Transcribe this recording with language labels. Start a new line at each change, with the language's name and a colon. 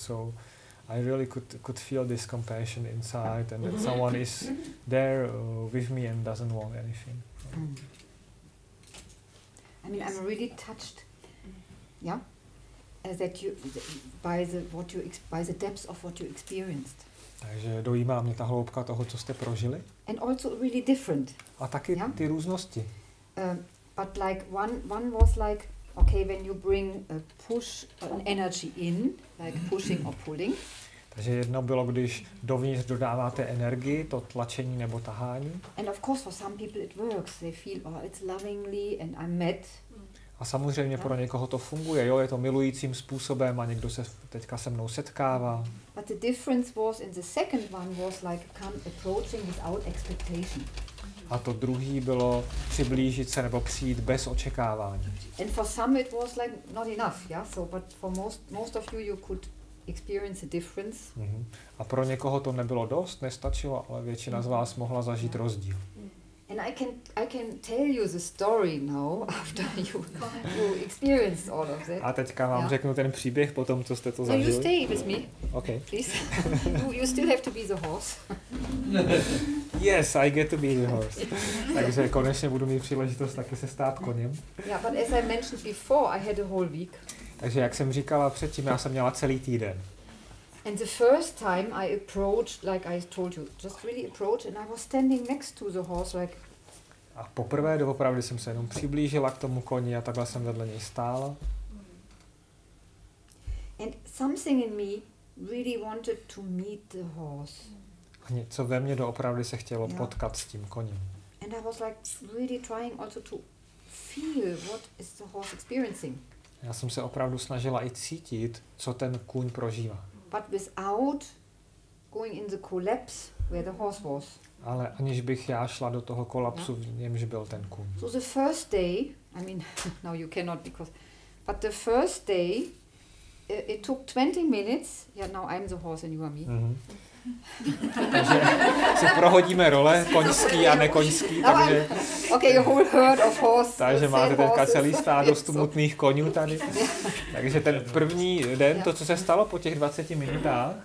English: So I really could feel this compassion inside, and that someone is there with me and doesn't want anything. I mean, I'm really touched. Yeah. that you by the depths of what you experienced.
Czech: Takže dojímá mě ta hloubka toho, co jste prožili.
English: And also really different.
Czech: A taky
English: yeah?
Czech: Ty různosti.
English: But like one was like okay when you bring a push an energy in like pushing or pulling.
Czech: Takže jedno bylo, když dovnitř dodáváte energii, to tlačení nebo tahání.
English: And of course for some people it works. They feel oh it's lovingly and I'm met.
Czech: A samozřejmě pro někoho to funguje, jo, je to milujícím způsobem a někdo se teďka se mnou setkává.
English: But the difference was in the second one was like come approaching without expectation.
Czech: A to druhý bylo přiblížit se nebo přijít bez očekávání.
English: And for some it was like not enough, yeah. So but for most of you could experience a difference. Mm-hmm.
Czech: A pro někoho to nebylo dost, nestačilo, ale většina z vás mohla zažít rozdíl.
English: And I can tell you the story now after you experienced all of that.
Czech: A teďka vám řeknu ten příběh po tom, co jste to zažili.
English: You stay with me. Okay. Please. You still have to be the horse. Yes, I get to be the horse.
Czech: Takže konečně budu mít příležitost taky se stát koněm.
English: Yeah, but as I mentioned before, I had a whole week.
Czech: Takže jak jsem říkala předtím, já jsem měla celý týden.
English: And the first time I approached, like I told you, just really approached, and I was standing next to the horse, like.
Czech: A poprvé doopravdy jsem se jenom přiblížila k tomu koni a takhle jsem vedle něj stála.
English: And something in me really wanted to meet the horse.
Czech: A něco ve mně doopravdy se chtělo potkat s tím koním.
English: And I was like really trying also to feel what is the horse experiencing.
Czech: Já jsem se opravdu snažila i cítit, co ten kůň prožívá.
English: But without going in the collapse where the horse was.
Czech: Ale aniž bych já šla do toho kolapsu, v němž byl ten kůň.
English: So the first day, I mean, no, you cannot because, but the first day, it took 20 minutes. Yeah, now I'm the horse and you are me. Mm-hmm.
Czech: Takže si prohodíme role koňský a nekoňský, no, takže.
English: Okay, you all heard of horse.
Czech: Takže máte teďka celý stádo smutných konňů tady. Takže ten první den, to co se stalo po těch 20 minutách.